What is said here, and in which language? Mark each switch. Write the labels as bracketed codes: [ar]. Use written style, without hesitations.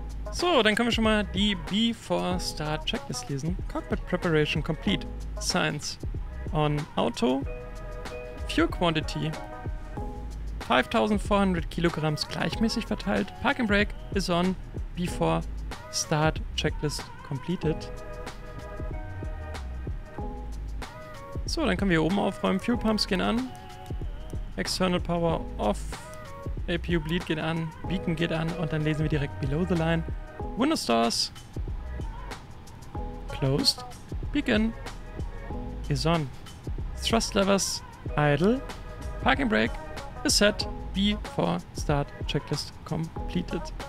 [de] So, dann können wir schon mal die Before Start Checklist lesen. [en] Cockpit Preparation complete. Science on Auto. Fuel Quantity. [de] 5400 Kilogramm gleichmäßig verteilt. [en] Park and Brake is on Before Start Checklist completed. [de] So, dann können wir hier oben aufräumen. [en] Fuel Pump Skin an. External Power off. [de] APU Bleed geht an. Beacon geht an. Und dann lesen wir direkt Below the Line. [en] Windows Doors closed, Beacon is on, Thrust Levers idle, Parking Brake is set, Before Start Checklist completed.